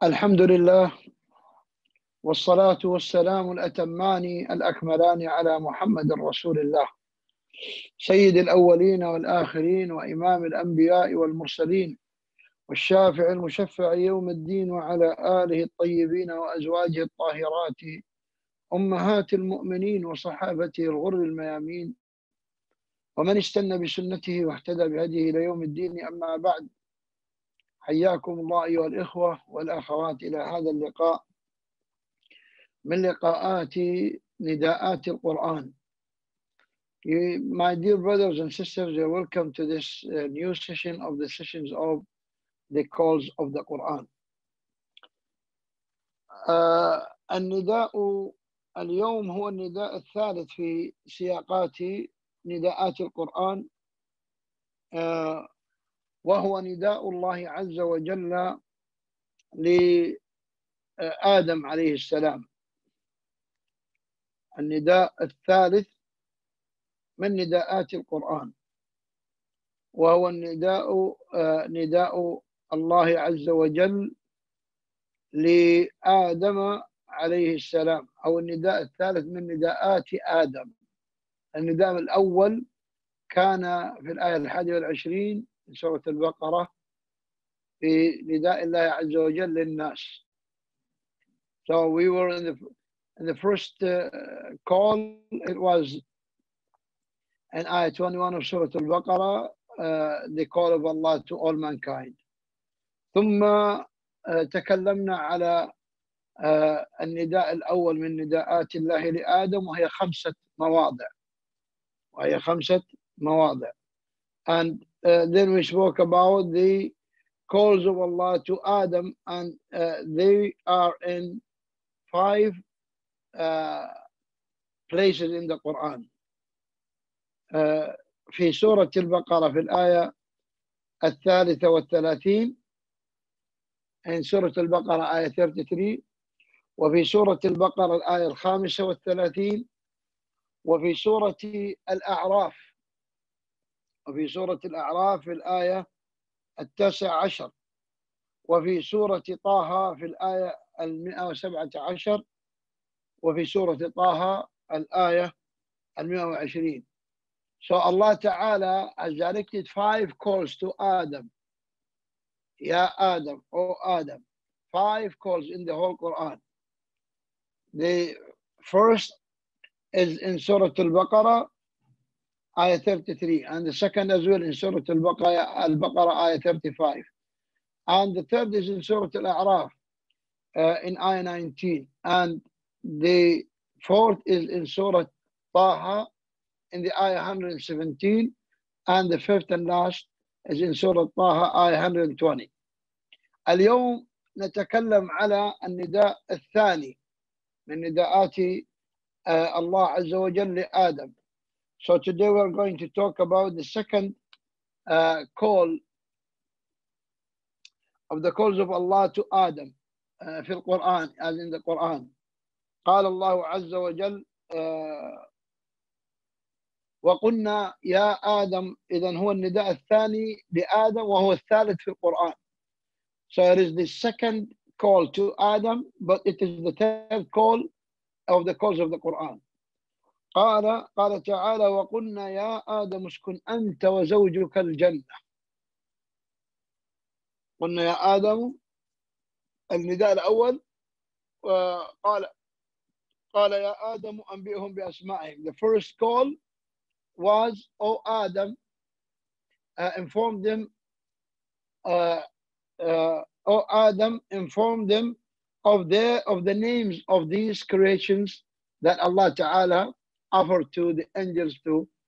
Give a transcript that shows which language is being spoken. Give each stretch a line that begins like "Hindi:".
Arabic: الحمد لله والصلاة والسلام الأتمان الأكملان على محمد رسول الله، سيد الأولين والآخرين وإمام الأنبياء والمرسلين والشافع المشفع يوم الدين، وعلى آله الطيبين وأزواجه الطاهرات أمهات المؤمنين وصحابته الغر الميامين ومن استنى بسنته واهتدى بهديه ليوم الدين. أما بعد، حياكم الله أيها الإخوة والأخوات إلى هذا اللقاء من لقاءات نداءات القرآن.
English: My dear brothers and sisters, you're welcome to this new session of the sessions of the calls of the Quran.
Arabic: النداء اليوم هو النداء الثالث في سياقات نداءات القرآن، وهو نداء الله عز وجل لآدم عليه السلام. النداء الثالث من نداءات القرآن، وهو نداء الله عز وجل لآدم عليه السلام، أو النداء الثالث من نداءات آدم. النداء الأول كان في الآية 21 من سورة البقرة في نداء الله عز وجل للناس.
English: So we were in the first call, it was in ayah 21 of Surah Al-Baqarah, the call of Allah to all mankind.
Arabic: ثم تكلمنا على النداء الأول من نداءات الله لآدم، وهي خمسة مواضع. وهي خمسة مواضع.
English: And then we spoke about the calls of Allah to Adam, and they are in five places in the Quran.
Arabic: في سورة البقرة في الآية 33، in سورة البقرة آية 33، وفي سورة البقرة الآية 35، وفي سورة الأعراف، وفي سورة الأعراف في الآية 19، وفي سورة طه في الآية 117، وفي سورة طه الآية 120.
English: So Allah Ta'ala has directed five calls to Adam. Ya Adam, O Adam. Five calls in the whole Quran. The first is in Surah Al-Baqarah, Ayah 33. And the second as well in Surah Al-Baqarah, Ayah 35. And the third is in Surah Al-A'raf, in Ayah 19. And the fourth is in Surah Taha, in the ayah 117, and the fifth and last is in Surah Taha, ayah 120.
Arabic: اليوم نتكلم على النداء الثاني من نداءات الله عز وجل لآدم.
English: So today we're going to talk about the second call of the calls of Allah to Adam
Arabic: في القرآن,
English: as in the Quran.
Arabic: قال الله عز وجل وقلنا يا آدم, إذن هو النداء الثاني لآدم وهو الثالث في القرآن.
English: So it is the second call to Adam, but it is the third call of the calls of the Quran.
Arabic: قال تعالى وقلنا يا آدم اسكن أنت وزوجك الجنة. قلنا يا آدم, النداء الأول, قال يا آدم أنبئهم بأسمائهم.
English: The first call was, O Adam, inform them, O Adam, inform them of the names of these creations that Allah Ta'ala offered to the angels to